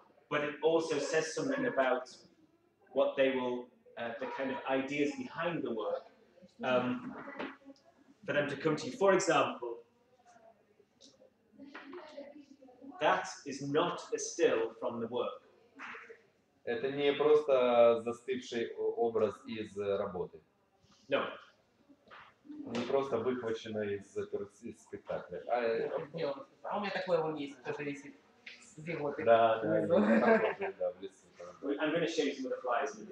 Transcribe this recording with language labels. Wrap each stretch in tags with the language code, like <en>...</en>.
<en>But it also says something about what they will, the kind of ideas behind the work for them to come to you. For example, that is not a still from the work.</en> <ru>Это не просто застывший образ из работы.</ru> <en>No.</en> <ru>Не просто выхвачено из спектакля. А у меня такое есть, тоже есть.</ru> <en>I'm going to show you some of the flyers.</en>